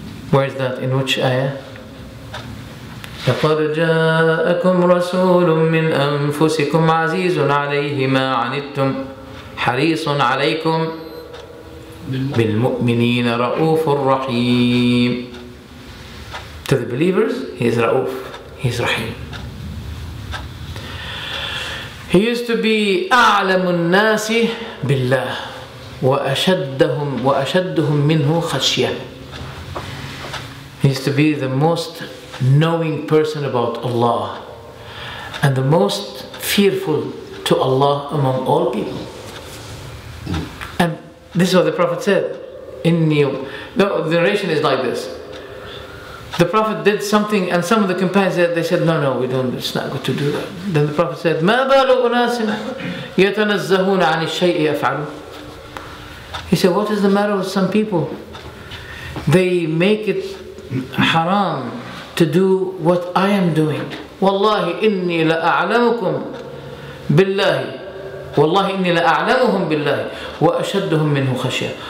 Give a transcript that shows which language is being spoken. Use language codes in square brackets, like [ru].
[en] Where is that? In which ayah? [ar] لَقَدْ جَاءَكُمْ رَسُولٌ مِّنْ أَنفُسِكُمْ عَزِيزٌ عَلَيْهِ مَا عَنِتُّمْ حَرِيصٌ عَلَيْكُمْ بِالْمُؤْمِنِينَ رَؤُوفٌ رَحِيمٌ. [en] To the believers, he is Ra'uf, he is Rahim. He used to be [ar] أَعْلَمُ النَّاسِ بِاللَّهِ وَأَشَدُّهُمْ مِنْهُ خَشْيًا. [en] He used to be the most knowing person about Allah and the most fearful to Allah among all people. And this is what the Prophet said. The narration is like this. The Prophet did something and some of the companions said, they said, no, we don't, it's not good to do that. Then the Prophet said, [ar] مَا بَالُ أُنَاسٍ يَتَنَزَّهُونَ عَنِ الشَّيْءِ يَفْعَلُ. [en] He said, what is the matter with some people? They make it haram to do what I am doing. [ar] وَاللَّهِ إِنِّي لَأَعْلَمُكُمْ بِاللَّهِ وَاللَّهِ إِنِّي لَأَعْلَمُهُمْ بِاللَّهِ وَأَشَدُّهُمْ مِنْهُ خَشْيَةً.